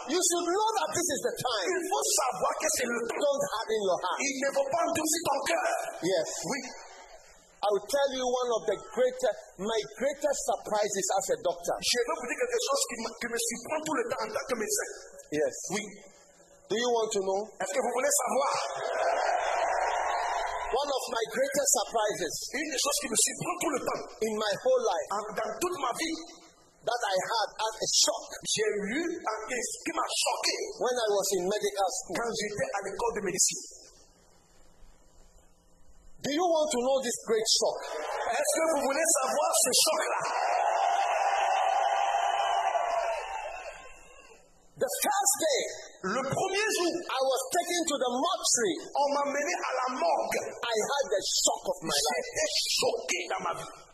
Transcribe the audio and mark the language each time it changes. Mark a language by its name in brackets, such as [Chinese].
[English] you should know that this is the time. [French] Il faut savoir que c'est le temps. [English] Don't harden your heart. [French] Il ne faut pas endurcir ton cœur. [English] Yes. [French] Oui. [English] I will tell you one of the my greatest surprises as a doctor. [French] Je vais vous dire quelque chose qui me surprend tout le temps en tant que médecin. [English] Yes. [French] Oui. [English] Do you want to know? [French] Est-ce que vous voulez savoir? [English] One of my greatest surprises. [French] Une des choses qui me surprend tout le temps. [English] In my whole life. [French] Dans toute ma vie. [English] That I had as a shock. [French] J'ai eu un test qui m'a choqué. [English] When I was in medical school. [French] Quand j'étais à l'école de médecine. [English] Do you want to know this great shock? [French] Est-ce que vous voulez savoir ce choc-là? [English] The first day, [French] le premier jour, [English] I was taken to the mortuary. [French] On m'a mené à la morgue. [English] I had the shock of my life. [French] J'étais choqué dans ma vie.